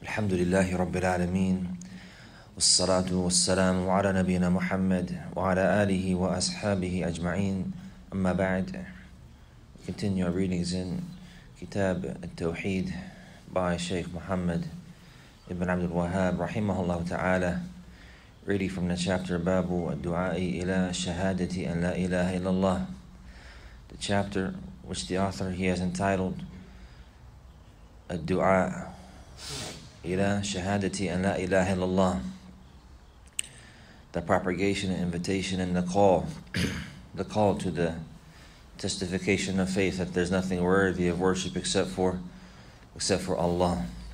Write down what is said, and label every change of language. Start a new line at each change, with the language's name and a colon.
Arabic: الحمد لله رب العالمين، والصلاة والسلام على نبينا محمد وعلى آله وأصحابه أجمعين. أما بعد،
English: continue readings in كتاب التوحيد by Sheikh Muhammad ibn Abdul Wahhab
Arabic: رحمه الله تعالى.
English: Reading from the chapter
Arabic: باب الدعاء إلى شهادة أن لا إله إلا الله.
English: The chapter which the author he has entitled
Arabic: الدعاء إلى شهادة أن لا إله إلا الله.
English: The propagation, invitation, and the call, the call to the testification of faith that there's nothing worthy of worship except for Allah.